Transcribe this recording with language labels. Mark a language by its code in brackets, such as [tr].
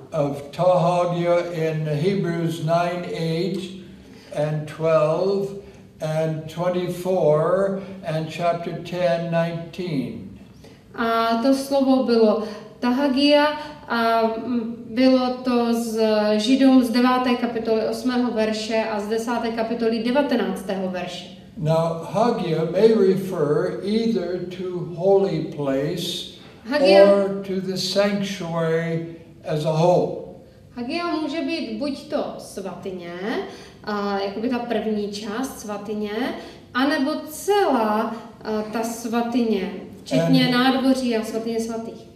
[en] Of Tohagia in Hebrews 9:8-12. And 24 and chapter 10:19. [cs] A to slovo bylo Tahagia a bylo to z Židům z 9. kapitoly 8. verše a z 10. kapitoly 19. verše. [en] Now Hagia may refer either to holy place Hagia, or to the sanctuary as a whole. [cs] Hagia může být buď to svatyně, jakoby ta první část svatyně, anebo celá ta svatyně, včetně nádvoří a svatyně svatých.